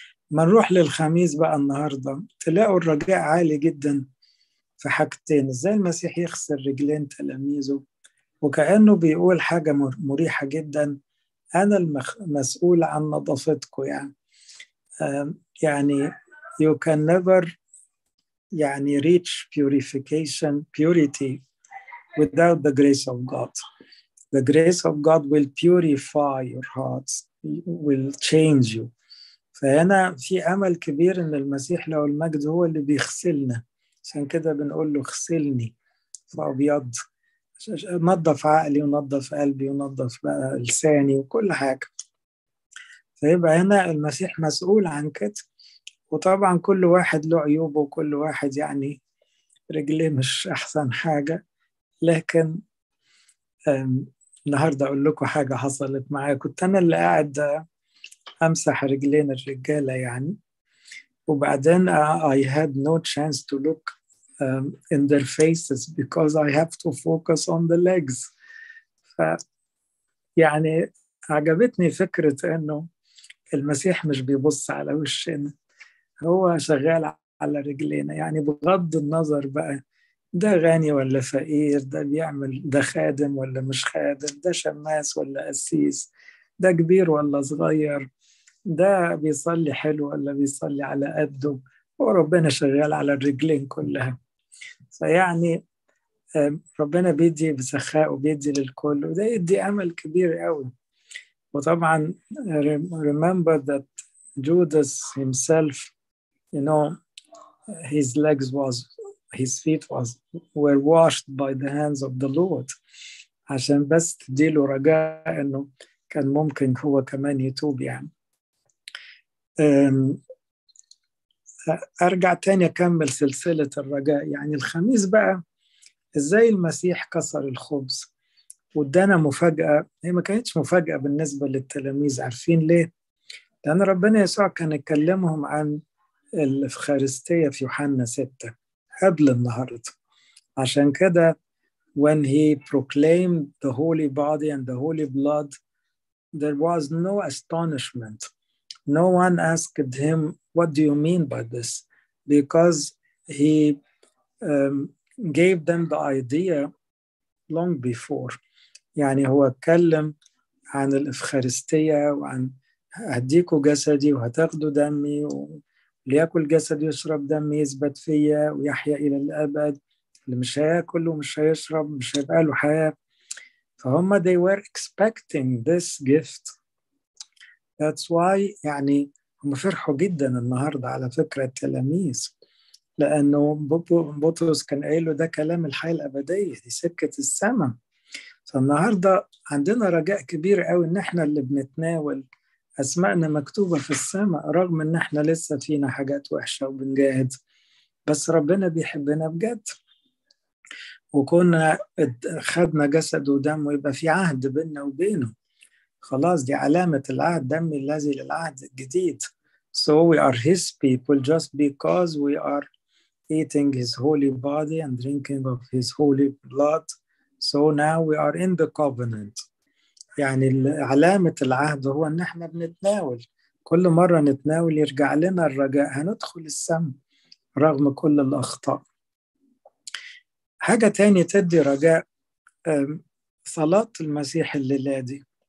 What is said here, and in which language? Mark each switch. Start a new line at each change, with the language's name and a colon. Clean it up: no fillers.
Arabic: ما نروح للخميس بقى النهاردة، تلاقوا الرجاء عالي جدا في حاجتين. إزاي المسيح يخسر رجلين تلاميذه؟ وكأنه بيقول حاجة مريحة جدا، أنا المسؤول عن نظافتكو. يعني
English: you can never يعني reach purification, purity without the grace of God. The grace of God will purify your hearts, will change you.
Arabic: فهنا في أمل كبير إن المسيح له المجد هو اللي بيغسلنا. عشان كده بنقول له اغسلني فأبيض. نظف عقلي ونظف قلبي ونظف لساني وكل حاجة. فيبقى هنا المسيح مسؤول عن كده. وطبعا كل واحد له عيوبه وكل واحد يعني رجليه مش أحسن حاجة. لكن النهاردة أقول لكم حاجة حصلت معايا. كنت أنا اللي قاعد أمسح رجلين الرجالة يعني. وبعدين
English: I had no chance to look in their faces because I have to focus on the legs.
Arabic: يعني عجبتني فكرة أنه المسيح مش بيبص على وشنا. هو شغال على رجلينا يعني بغض النظر بقى ده غني ولا فقير، ده بيعمل، ده خادم ولا مش خادم، ده شماس ولا قسيس، ده كبير ولا صغير، ده بيصلي حلو ولا بيصلي على قده، وربنا شغال على الرجلين كلها. فيعني ربنا بيدي بسخاء وبيدي للكل، وده يدي أمل كبير قوي. وطبعا
English: remember that Judas himself, you know, his legs was, his feet was, were washed by the hands of the Lord.
Arabic: عشان بس تديله رجاء انه كان ممكن هو كمان يتوب يعني. ارجع تاني اكمل سلسلة الرجاء. يعني الخميس بقى ازاي المسيح كسر الخبز ودانا مفاجأة. هي ما كانتش مفاجأة بالنسبة للتلاميذ، عارفين ليه؟ لان ربنا يسوع كان يكلمهم عن الافخارستية في يوحنا 6 قبل النهاردة. عشان كده
English: when he proclaimed the holy body and the holy blood there was no astonishment. No one asked him what do you mean by this, because he gave them the idea long before.
Arabic: يعني هو اتكلم عن الإفخارستية وعن هديكوا جسدي وهتاخدوا دمي و ليأكل جسدي يشرب دمي يثبت فيا ويحيا إلى الأبد. اللي مش هيأكل ومش هيشرب مش هيبقى له حياة. فهم
English: they were expecting this gift. That's why
Arabic: يعني هم فرحوا جدا النهاردة على فكرة التلاميذ، لأنه بطرس كان قايله ده كلام الحياة الأبدية، دي سكة السماء. فالنهاردة عندنا رجاء كبير قوي إن إحنا اللي بنتناول أسماءنا مكتوبة في السماء، رغم إن إحنا لسه فينا حاجات وحشة وبنجاهد، بس ربنا بيحبنا بجد. وكنا خدنا جسد ودم ويبقى في عهد بيننا وبينه. خلاص دي علامة العهد، دم الذي للعهد الجديد.
English: So we are his people just because we are eating his holy body and drinking of his holy blood. So now we are in the covenant.
Arabic: يعني علامة العهد هو أن احنا بنتناول، كل مرة نتناول يرجع لنا الرجاء، هندخل السماء رغم كل الأخطاء. حاجة تانية تدي رجاء، صلاة المسيح الليلة دي.